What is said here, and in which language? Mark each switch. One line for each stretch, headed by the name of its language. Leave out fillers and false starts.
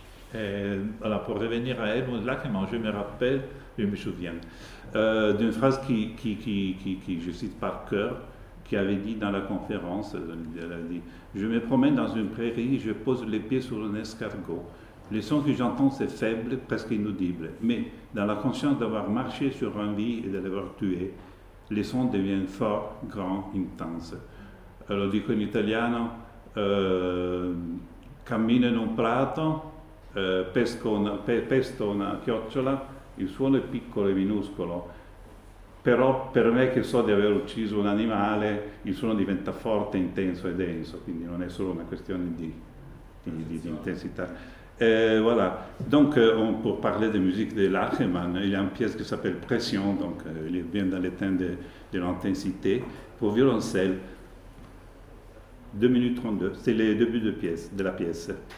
French: Pour revenir à elle, là, comment je me rappelle, je me souviens d'une phrase qui je cite par cœur, qui avait dit dans la conférence, elle a dit, je me promène dans une prairie, je pose les pieds sur un escargot. Le son que j'entends, c'est faible, presque inaudible. Mais dans la conscience d'avoir marché sur un vie et de l'avoir tué, le son devient fort, grand, intense.
Italian: Alors, dico in italiano, cammino in un prato. Pesto una chiocciola, il suono è piccolo e minuscolo, però per me che so di aver ucciso un animale, il suono diventa forte, intenso e denso, quindi non è solo una questione di intensità.
French: Voilà, donc pour parler de musique de Lachenmann, il y a une pièce qui s'appelle Pression, donc il vient dans les thèmes de l'intensité, pour violoncelle, 2 minutes 32, c'est le début de la pièce.